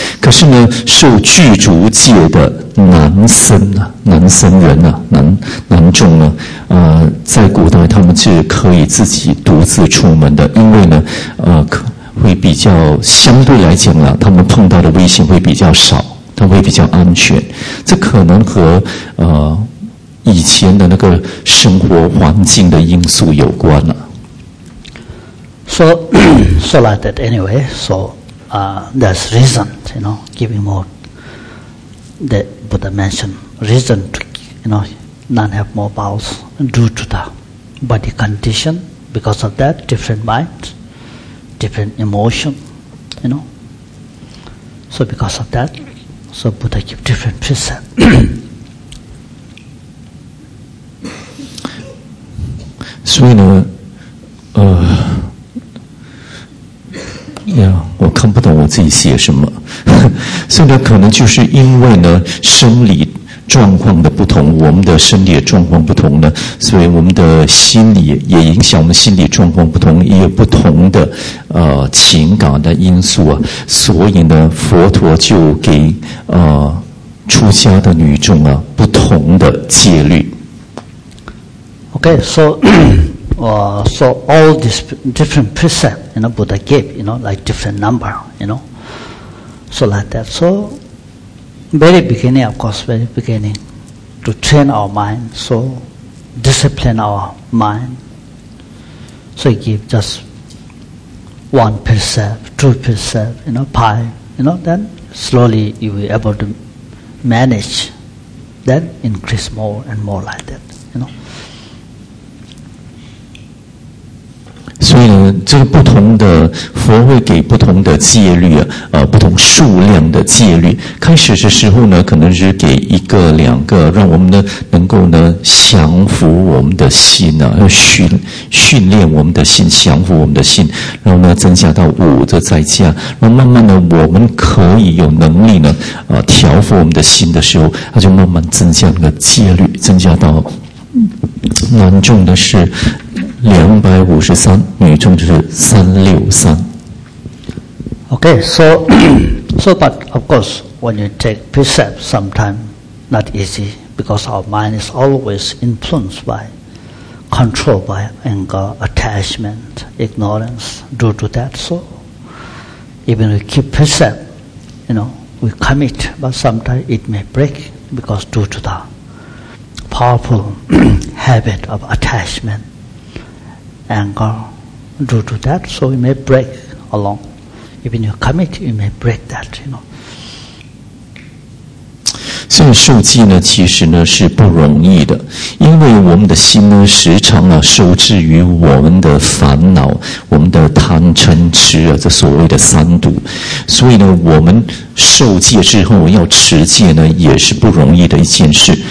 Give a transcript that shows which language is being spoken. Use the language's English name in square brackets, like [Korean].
[Chinese] 可是呢，受具足戒的男僧人啊，男众呢，在古代他们是可以自己独自出门的，因为呢，会比较相对来讲啊，他们碰到的危险会比较少，他会比较安全。这可能和以前的那个生活环境的因素有关了。 [English] So like that anyway. So there's reason, you know, giving more that Buddha mentioned reason to you know none have more bowels due to the body condition. Because of that, different mind, different emotion, you know. So because of that, so Buddha give different precept. So, you know, [Chinese] 我看不懂我自己写什么。所以呢，可能就是因为呢，生理状况的不同，我们的生理状况不同呢，所以我们的心理也影响我们心理状况不同，也有不同的情感的因素啊。所以呢，佛陀就给出家的女众啊不同的戒律。 [English] Okay, so so all these different precepts, you know, Buddha gave, you know, like different number, you know, so like that. So, very beginning, of course, very beginning, to train our mind, so discipline our mind. So he gave just one precept, two precepts, you know, five, you know, then slowly you will be able to manage, then increase more and more like that, you know. [Chinese] 所以呢，这个不同的佛会给不同的戒律啊，不同数量的戒律。开始的时候呢，可能是给一个两个，让我们呢能够呢降服我们的心啊，训练我们的心，降服我们的心。然后呢，增加到五的再加，然后慢慢的我们可以有能力呢，调服我们的心的时候，它就慢慢增加那个戒律，增加到难重的是。 253, 女众就是363. [English] Okay, so, so but of course, when you take precepts, sometimes not easy, because our mind is always influenced by, controlled by anger, attachment, ignorance, due to that. So, even we keep precepts, you know, we commit, but sometimes it may break, because due to the powerful habit of attachment,anger, due to that, so we may break along. Even you commit, you may break that, you know. [Chinese] 所以受戒呢，其实呢是不容易的，因为我们的心呢时常啊受制于我们的烦恼、我们的贪嗔痴啊，这所谓的三毒。所以呢，我们受戒之后要持戒呢，也是不容易的一件事。